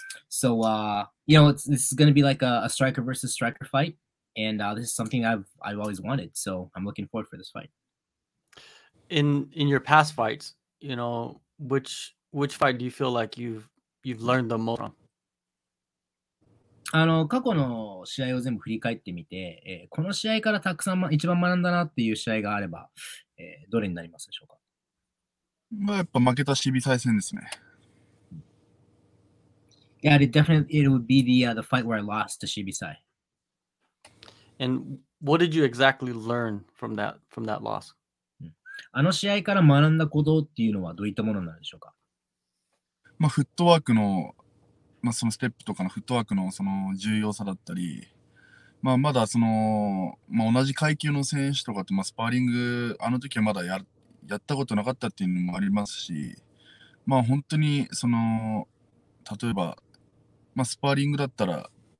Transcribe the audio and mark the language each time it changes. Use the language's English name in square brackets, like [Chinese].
[English] So, you know, this is going to be like a striker versus striker fight. And this is something I've always wanted. So I'm looking forward for this fight. In your past fights, you know, which fight do you feel like you've learned the most from? [Japanese] 過去の試合を全部振り返ってみて、この試合からたくさん、一番学んだなっていう試合があれば、どれになりますでしょうか？まあ、やっぱ負けたシビ再戦ですね。 [English] Yeah, definitely it would be the fight where I lost to Shibisai. And what did you exactly learn from that loss? [Japanese] あの試合から学んだことっていうのはどういったものなんでしょうか？まあ、フットワークの、まあ、そのステップとかのフットワークのその重要さだったり、まあ、まだその、まあ、同じ階級の選手とかと、まあ、スパーリングあの時はまだやったことなかったっていうのもありますし、まあ、本当にその例えば、まあ、スパーリングだったら